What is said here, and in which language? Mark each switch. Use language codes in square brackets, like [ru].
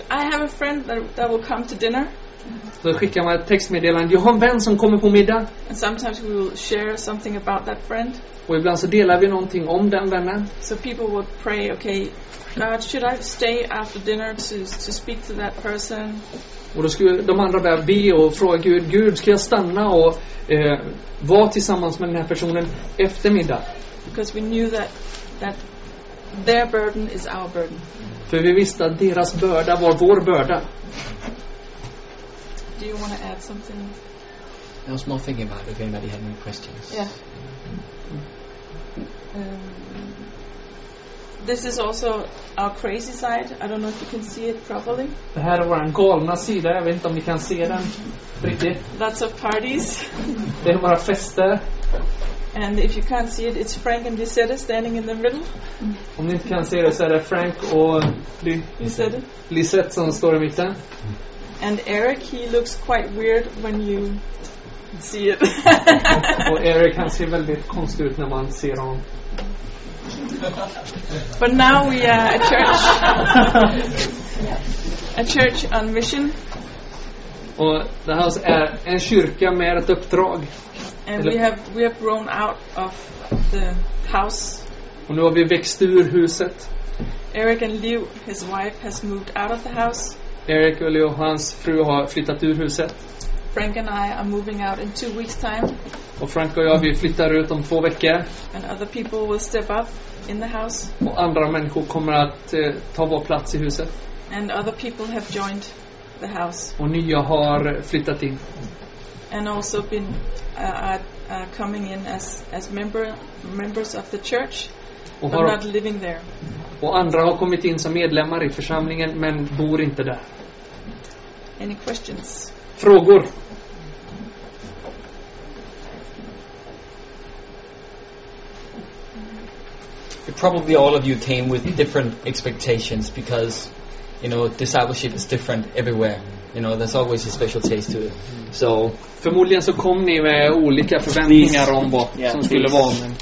[en] I have a friend that will come to dinner. [sv] Så skickar man ett textmeddelande. Jag har en vän som kommer på middag. [en] And sometimes we will share something about that friend. [sv] Och ibland så delar vi någonting om den vännen. [en] So people would pray, okay, God, should I stay after dinner to speak to that person? [sv] Och då skulle de andra börja be och fråga Gud, ska jag stanna och vara tillsammans med den här personen efter middag? [en] Because we knew that their burden is our burden. [sv] För vi visste att deras börda var vår börda. [en] Do you want to add something? I was more thinking about it if anybody had any questions. Yeah. this is also our crazy side. I don't know if you can see it properly. [sv] Det här är vår galna sida. Jag vet inte om ni kan se den riktigt. [en] Lots of parties. [sv] Det är bara fester. [en] And if you can't see it, it's Frank and Lisette standing in the middle. [sv] Om ni inte kan se det så är det Frank och Lisette som står i mitten. [en] And Eric, he looks quite weird when you see it. [sv] Och Eric, han ser väldigt konstigt ut när man ser honom. [en] But now we are a church. A church on mission. [sv] Och det här är en kyrka med ett uppdrag. [en] And we have grown out of the house. [sv] Och nu har vi växt ur huset. [en] Eric and Liu, his wife, has moved out of the house. [sv] Eric och Liu, hans fru, har flyttat ur huset. [en] Frank and I are moving out in 2 weeks' time. [sv] Och Frank och jag, vi flyttar ut om 2 veckor. [en] And other people will step up in the house. [sv] Och andra människor kommer att ta vår plats i huset. [en] And other people have joined the house. [sv] Och nya har flyttat in. [en] And also been coming in as members of the church, och but not living there. [sv] Och andra har kommit in som medlemmar i församlingen, men bor inte där. [en] Any questions? [sv] Frågor. [en] Probably all of you came with different expectations because, you know, discipleship is different everywhere. You know, there's always a special taste to it. So [sv] förmodligen så kom ni med olika förväntningar om vad som skulle vara.